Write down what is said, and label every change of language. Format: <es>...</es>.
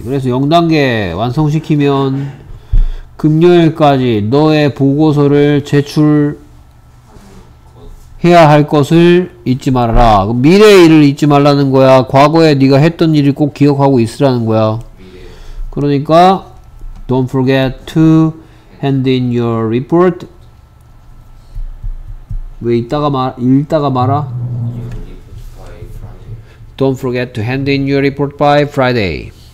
<ko>그래서 0단계 완성시키면 금요일까지 너의 보고서를 제출 해야 할 것을 잊지 말아라. 그럼 미래의 일을 잊지 말라는 거야. 과거에 네가 했던 일을 꼭 기억하고 있으라는 거야. 그러니까</ko> <en>don't forget to hand in your report.</en> <ko>왜 읽다가 말 읽다가 말아?</ko> <en>Don't forget to hand in your report by Friday.</en>